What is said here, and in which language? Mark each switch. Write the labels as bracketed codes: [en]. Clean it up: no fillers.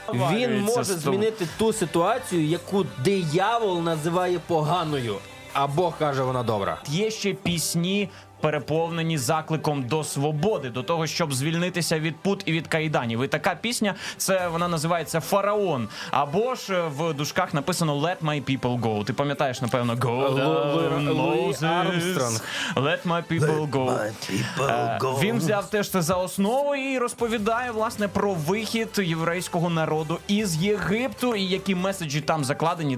[uk] Він може змінити ту ситуацію, яку диявол називає поганою. А Бог каже, вона добра. Є ще пісні, переповнені закликом до свободи, до того, щоб звільнитися від пут і від кайданів. І така пісня, це вона називається «Фараон». Або ж в дужках написано [en] «Let my people go». [uk] Ти пам'ятаєш, напевно, [en] «Go down, Moses, let my people go». [uk] Він взяв теж це за основу і розповідає, власне, про вихід єврейського народу із Єгипту і які меседжі там закладені.